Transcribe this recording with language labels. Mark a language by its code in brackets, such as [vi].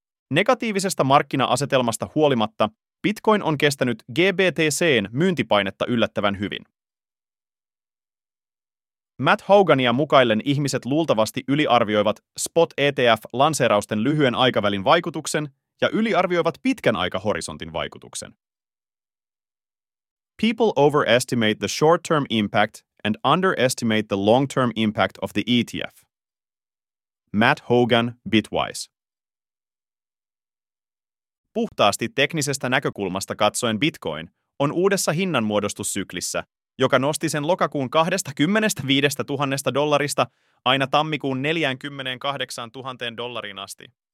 [fi] Negatiivisesta markkina-asetelmasta huolimatta Bitcoin on kestänyt GBTC:n myyntipainetta yllättävän hyvin. Matt Hogania mukaillen ihmiset luultavasti yliarvioivat Spot ETF-lanseerausten lyhyen aikavälin vaikutuksen ja yliarvioivat pitkän aikahorisontin vaikutuksen. [en] People overestimate the short-term impact and underestimate the long-term impact of the ETF. Matt Hogan, Bitwise. [fi] Puhtaasti teknisestä näkökulmasta katsoen Bitcoin on uudessa hinnanmuodostussyklissä, joka nosti sen lokakuun 25 000 dollarista aina tammikuun 48 000 dollariin asti.